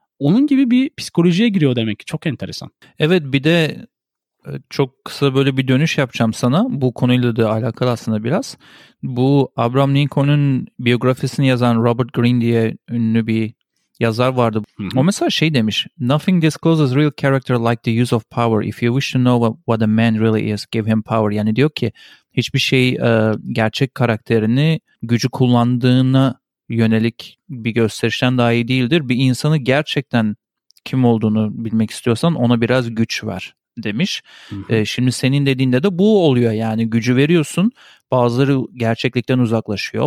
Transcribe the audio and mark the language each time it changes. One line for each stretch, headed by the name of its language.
Turkish: Onun gibi bir psikolojiye giriyor demek ki. Çok enteresan. Evet, bir de çok kısa böyle bir dönüş yapacağım sana. Bu konuyla da alakalı aslında biraz. Bu Abraham Lincoln'un biyografisini yazan Robert Greene diye ünlü bir yazar vardı. O mesela şey demiş.
English: Nothing discloses real character like the use of power. If you wish to know what a man really is, give him power.
Turkish: Yani diyor ki hiçbir şey gerçek karakterini, gücü kullandığına yönelik bir gösterişten daha iyi değildir. Bir insanı gerçekten kim olduğunu bilmek istiyorsan ona biraz güç ver demiş. Şimdi senin dediğinde de bu oluyor. Yani gücü veriyorsun, bazıları gerçeklikten uzaklaşıyor.